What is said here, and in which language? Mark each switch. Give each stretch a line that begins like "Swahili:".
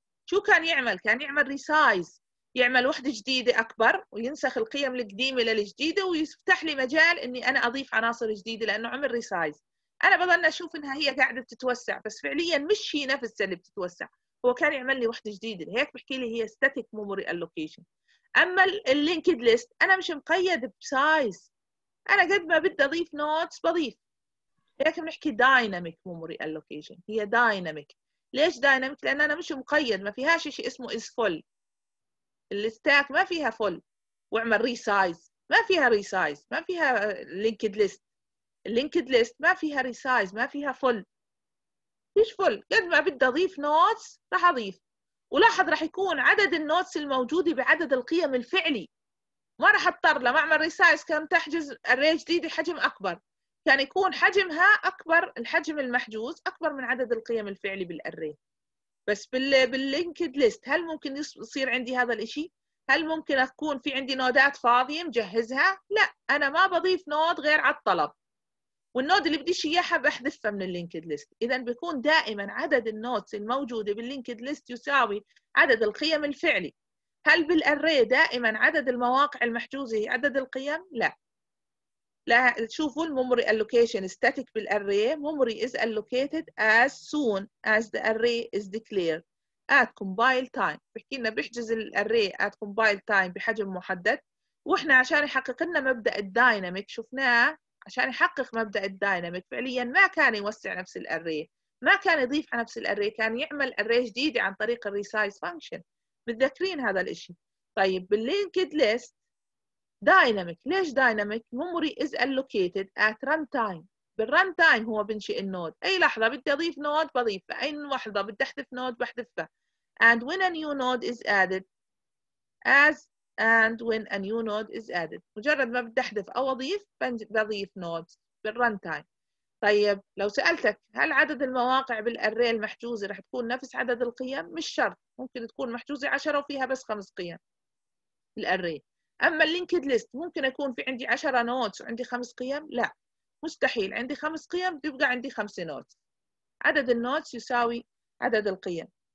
Arabic: شو كان يعمل؟ كان يعمل ريسايز، يعمل وحدة جديدة أكبر وينسخ القيم القديمة للجديدة ويفتح لي مجال أني أنا أضيف عناصر جديدة لأنه عمل ريسايز. أنا بظن أشوف أنها هي قاعدة بتتوسع، بس فعليا مش هي نفسها اللي بتتوسع، هو كان يعمل لي وحدة جديدة. هيك بحكي لي هي
English: static memory allocation.
Arabic: أما اللينكد ليست أنا مش مقيد بسايز، أنا قد ما بدي أضيف نوتس بضيف. هيك بنحكي
English: dynamic memory allocation.
Arabic: هي dynamic. ليش dynamic؟ لأن أنا مش مقيد، ما فيهاش شيء اسمه
English: is full.
Arabic: الستات ما فيها فول وعمل ريسايز، ما فيها ريسايز، ما فيها لينكد ليست. اللينكد ليست ما فيها ريسايز، ما فيها فول. مش فول، قد ما بدي اضيف نوتس راح اضيف، ولاحظ راح يكون عدد النوتس الموجوده بعدد القيم الفعلي. ما راح اضطر لما اعمل ريسايز كم تحجز اري جديده حجم اكبر، كان يكون حجمها اكبر، الحجم المحجوز اكبر من عدد القيم الفعلي بالاري. بس باللينكد ليست هل ممكن يصير عندي هذا الاشي؟ هل ممكن اكون في عندي نودات فاضية مجهزها؟ لا، انا ما بضيف نود غير على الطلب، والنود اللي بديش اياها بحذفها من اللينكد ليست. اذا بيكون دائما عدد النودز الموجودة باللينكد ليست يساوي عدد القيم الفعلي. هل بالاري دائما عدد المواقع المحجوزة هي عدد القيم؟ لا لا، شوفوا الميموري allocation static بالarray.
English: memory is allocated as soon as the array is declared at compile time.
Arabic: بحكي لنا بيحجز الarray
English: at compile time
Arabic: بحجم محدد، واحنا عشان يحقق لنا مبدأ الدايناميك شفناه، عشان يحقق مبدأ الدايناميك فعليا ما كان يوسع نفس الarray، ما كان يضيف على نفس الarray، كان يعمل array جديد عن طريق resize function. متذكرين هذا الاشي؟ طيب باللينكد ليست dynamic.
English: ليش dynamic؟ memory is allocated at runtime.
Arabic: بالrun time هو بنشئ النود، اي لحظه بدي اضيف نود بضيفه، اي لحظه بدي احذف نود بحذفه.
English: and when a new node is added as and when a new node is added،
Arabic: مجرد ما بدي احذف او اضيف بضيف نود بالrun time. طيب لو سالتك هل عدد المواقع بالاري المحجوزه رح تكون نفس عدد القيم؟ مش شرط، ممكن تكون محجوزه 10 وفيها بس 5 قيم بالاري. أما اللينكد ليست ممكن أكون في عندي 10 نوتس وعندي 5 قيم؟ لا مستحيل، عندي 5 قيم بيبقى عندي 5 نوتس، عدد النوتس يساوي عدد القيم.